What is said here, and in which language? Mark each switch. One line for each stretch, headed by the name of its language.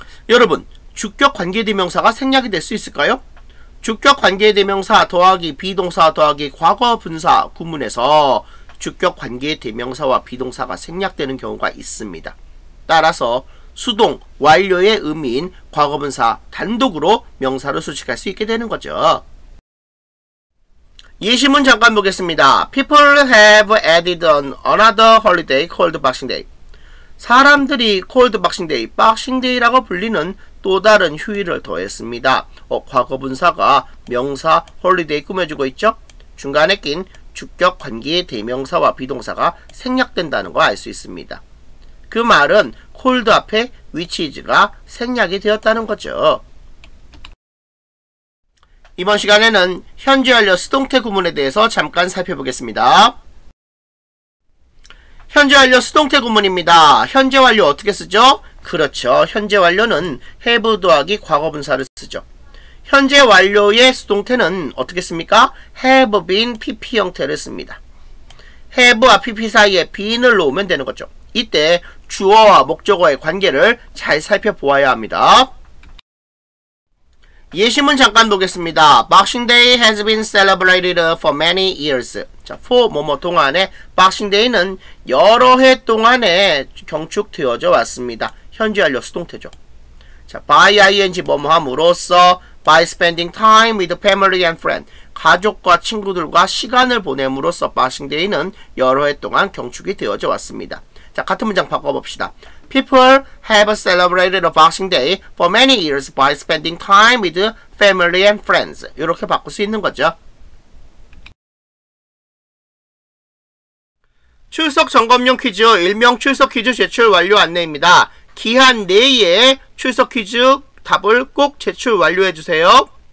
Korean: 여러분, 주격 관계 대명사가 생략이 될 수 있을까요? 주격 관계 대명사 더하기 비동사 더하기 과거 분사 구문에서 주격 관계 대명사와 비동사가 생략되는 경우가 있습니다. 따라서 수동, 완료의 의미인 과거분사 단독으로 명사를 수식할 수 있게 되는 거죠. 예시문 잠깐 보겠습니다.
English: People have added on another holiday called Boxing Day.
Korean: 사람들이 Cold Boxing Day, Boxing Day라고 불리는 또 다른 휴일을 더했습니다. 과거분사가 명사 holiday 꾸며주고 있죠? 중간에 낀 주격 관계의 대명사와 비동사가 생략된다는 거 알 수 있습니다. 그 말은 cold 앞에 which is가 생략이 되었다는 거죠. 이번 시간에는 현재 완료 수동태 구문에 대해서 잠깐 살펴보겠습니다. 현재 완료 수동태 구문입니다. 현재 완료 어떻게 쓰죠? 그렇죠. 현재 완료는 have 더하기 과거분사를 쓰죠. 현재 완료의 수동태는 어떻게 씁니까? have been pp 형태를 씁니다. have와 pp 사이에 been을 놓으면 되는 거죠. 이때 주어와 목적어의 관계를 잘 살펴보아야 합니다. 예시문 잠깐 보겠습니다.
English: Boxing Day has been celebrated for many years.
Korean: 자, for 뭐뭐 동안에 Boxing Day는 여러 해 동안에 경축되어져 왔습니다. 현재 완료 수동태죠. 자, by ing 뭐뭐함으로써
English: by spending time with family and friends
Korean: 가족과 친구들과 시간을 보냄으로써 Boxing Day는 여러 해 동안 경축이 되어져 왔습니다. 자, 같은 문장 바꿔봅시다.
English: People have celebrated a Boxing Day for many years by spending time with family and friends.
Korean: 이렇게 바꿀 수 있는 거죠. 출석 점검용 퀴즈, 일명 출석 퀴즈 제출 완료 안내입니다. 기한 내에 출석 퀴즈 답을 꼭 제출 완료해주세요.